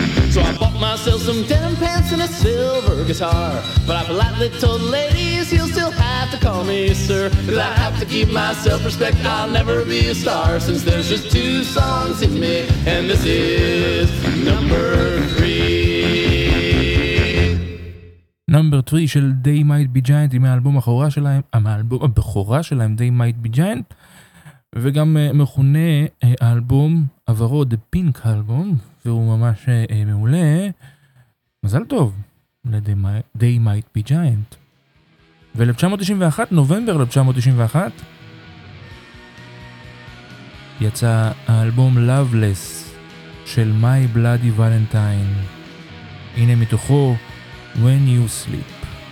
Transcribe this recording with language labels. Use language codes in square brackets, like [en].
[en] So I bought myself some denim pants and a silver guitar, but I politely told the ladies he'll still have to call me sir, 'cause I have to keep my self-respect. I'll never be a star, since there's just two songs in me, and this is number three. [he] נאמבר 3 של They Might Be Giant, עם האלבום הבכורה שלהם, האלבום הבכורה שלהם, They Might Be Giant, וגם מכונה האלבום הוורוד, The Pink Album, והוא ממש מעולה. מזל טוב ל-They Might Be Giant. ו-1991, נובמבר 1991, יצא האלבום Loveless של My Bloody Valentine. הנה מתוכו, When You Sleep.